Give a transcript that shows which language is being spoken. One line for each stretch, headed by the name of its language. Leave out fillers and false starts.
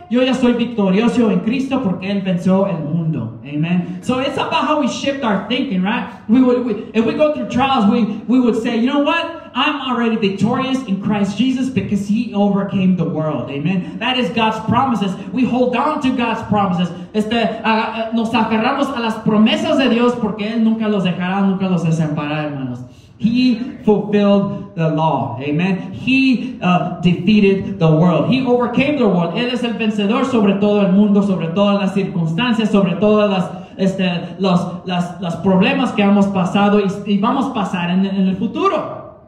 Spanish: Yo ya soy victorioso en Cristo porque Él venció el mundo.
English: Amen. So it's about how we shift our thinking, right? If we go through trials, we would say, you know what? I'm already victorious in Christ Jesus because He overcame the world. Amen. That is God's promises. We hold on to God's promises.
Spanish: Nos aferramos a las promesas de Dios porque Él nunca los dejará, nunca los desamparará, hermanos.
English: He fulfilled the law. Amen. He defeated the world. He overcame the world.
Spanish: Él es el vencedor sobre todo el mundo, sobre todas las circunstancias, sobre todas las problemas que hemos pasado y vamos a pasar en el futuro.